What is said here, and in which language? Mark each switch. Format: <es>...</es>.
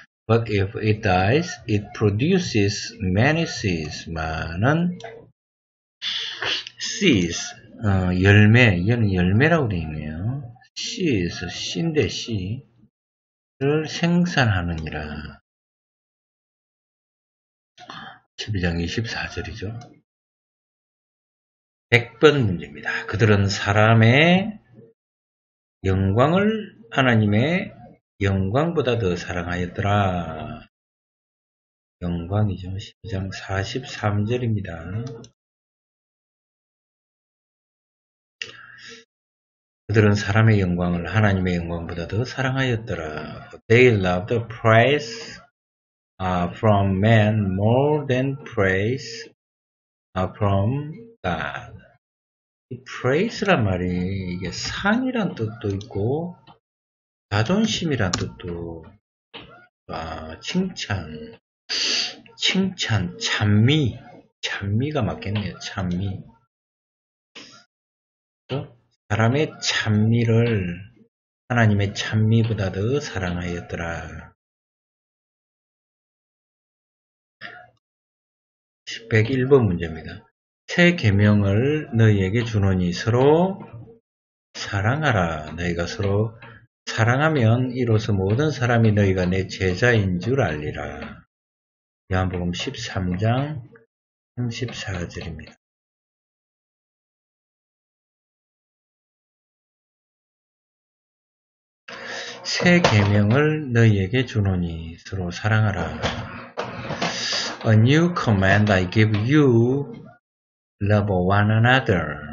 <en>But if it dies, it produces many seeds.</en> <ko>많은 seeds. 열매. 얘는 열매라고 되어 있네요.</ko> <en>seeds.</en> <ko>씨인데 씨를 생산하느니라. 12장 24절이죠. 100번 문제입니다. 그들은 사람의 영광을 하나님의 영광보다 더 사랑하였더라. 영광이죠. 12장 43절입니다. 그들은 사람의 영광을 하나님의 영광보다 더 사랑하였더라.</ko> <en>They loved the praise from man more than praise from God.</en> <ko>이 praise란 말이 이게 상이란 뜻도 있고 자존심이란 뜻도 칭찬, 찬미가 맞겠네요. 찬미. 사람의 찬미를 하나님의 찬미보다 더 사랑하였더라. 101번 문제입니다. 새 계명을 너희에게 주노니 서로 사랑하라. 너희가 서로 사랑하면 이로써 모든 사람이 너희가 내 제자인 줄 알리라. 요한복음 13장 34절입니다. 새 계명을 너희에게 주노니 서로 사랑하라.</ko> <en>A new command I give you, love one another.</en>